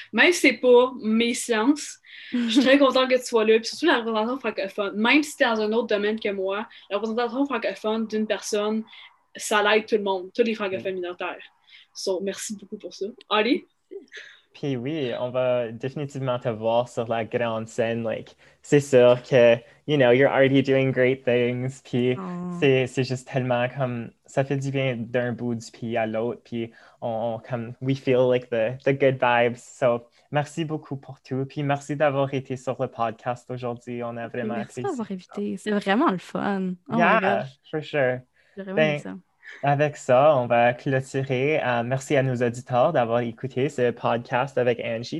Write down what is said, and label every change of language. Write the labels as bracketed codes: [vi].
[fr] Même si c'est pas mes sciences, je suis très contente que tu sois là, puis surtout la représentation francophone, même si t'es dans un autre domaine que moi, la représentation francophone d'une personne, ça aide tout le monde, tous les francophones minoritaires. So, merci beaucoup pour ça. Allez! Puis oui, on va définitivement te voir sur la grande scène. [en] Like, [fr] c'est sûr que, [en] you know, you're already doing great things. [fr] Puis c'est juste tellement comme, ça fait du bien d'un bout du pays à l'autre. Puis on comme, [en] we feel like the good vibes. [fr] So, merci beaucoup pour tout. Puis merci d'avoir été sur le podcast aujourd'hui. On a vraiment merci apprécié. Merci d'avoir invité. C'est vraiment le fun. [en] Oh yeah, my gosh. For sure. [fr] J'ai vraiment aimé ça. Avec ça, on va clôturer. Merci à nos auditeurs d'avoir écouté ce podcast avec Angie.